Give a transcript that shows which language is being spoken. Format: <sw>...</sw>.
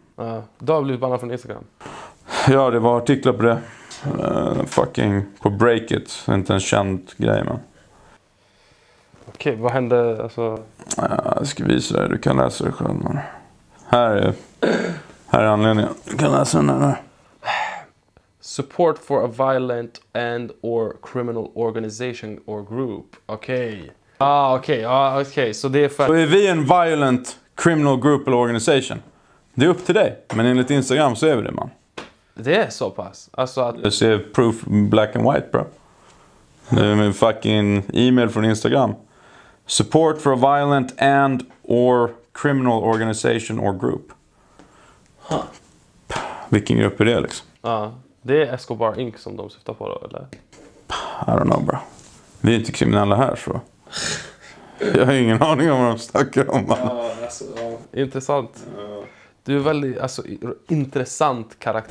<sv>Ja, då har blivit bannad från Instagram. Ja, det var artiklar på det. Fucking på Breakit. Inte en känd grej, man. Okej, vad hände? Alltså... Ja, jag ska visa dig. Du kan läsa det själv, man. Här är anledningen. Du kan läsa den här.</sv> <en>Support for a violent and or criminal organization or group.</en> <sv>Okej. Okej. Så det är för... Så är vi en</sv> <en>violent criminal group</en> <sv>eller organization? Det är upp till dig. Men enligt Instagram så är vi det, man. Det är så pass. Alltså att... Du ser</sv> <en>proof black and white, bro.</en> <sv>Det är min fucking e-mail från Instagram.</sv> <en>Support for a violent and or... criminal organization or group. Huh.</en> <sv>Vilken grupp är det liksom? Ja, det är Escobar Inc. som de syftar på då, eller?</sv> <en>I don't know, bro.</en> <sv>Vi är inte kriminella här, så. Jag har ingen aning om vad de snackar om. Ja, alltså, ja. Intressant. Ja. Du är väldigt alltså, intressant karaktär.</sv>